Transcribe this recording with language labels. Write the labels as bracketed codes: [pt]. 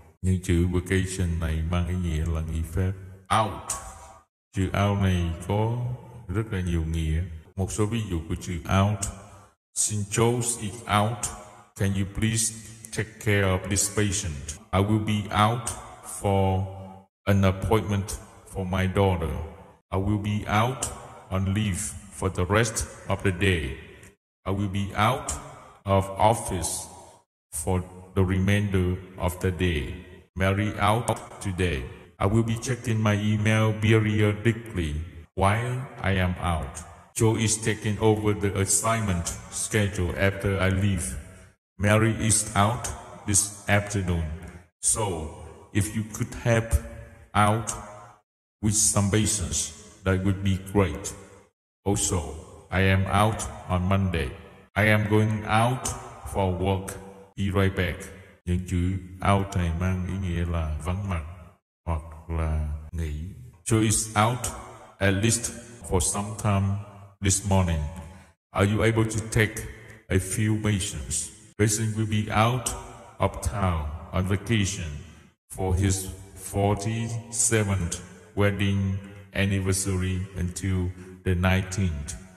[vi] Những chữ vacation này mang ý nghĩa là nghỉ phép. Out. Chữ out này có rất là nhiều nghĩa. Một số ví dụ của chữ out. [en] Since Joe is out, can you please take care of this patient? I will be out for an appointment for my daughter. I will be out on leave for the rest of the day. I will be out of office for the remainder of the day. Mary out today. I will be checking my email periodically while I am out. Joe is taking over the assignment schedule after I leave. Mary is out this afternoon. So, if you could help out with some patients, that would be great. Also, I am out on Monday. I am going out for work. Be right back. [vi] Những chữ out này mang ý nghĩa là vắng mặt hoặc là nghỉ. [en] Joe is out at least for some time this morning. Are you able to take a few patients? Patient will be out of town on vacation for his 47th wedding anniversary until the 19th.